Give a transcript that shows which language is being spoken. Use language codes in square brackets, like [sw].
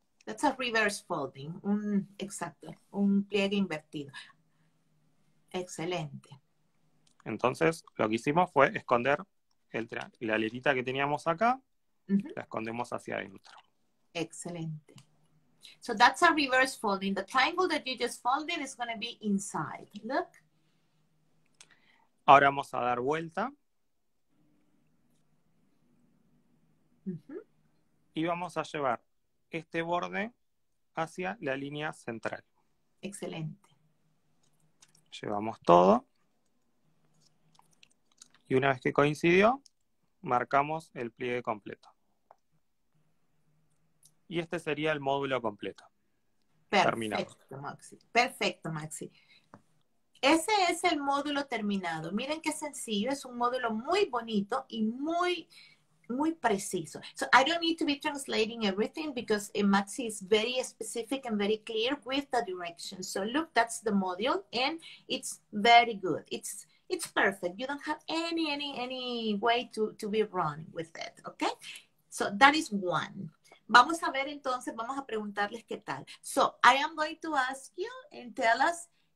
[en] That's a reverse folding, [es] exacto, un pliegue invertido. Excelente. Entonces, lo que hicimos fue esconder la aletita que teníamos acá, la escondemos hacia adentro. Excelente. [en] So that's a reverse folding. The triangle that you just folded is going to be inside. Look. [es] Ahora vamos a dar vuelta. Y vamos a llevar este borde hacia la línea central. Excelente. Llevamos todo. Y una vez que coincidió, marcamos el pliegue completo. Y este sería el módulo completo. Terminado. Perfecto, Maxi. Perfecto, Maxi. Ese es el módulo terminado. Miren qué sencillo, es un módulo muy bonito y muy muy preciso. [en] So I don't need to be translating everything because Maxi is very specific and very clear with the directions. So look, that's the module and it's very good. It's perfect. You don't have any way to be wrong with it, okay? So that is one. [es] Vamos a ver entonces, vamos a preguntarles qué tal. [en] So I am going to ask you and tell us.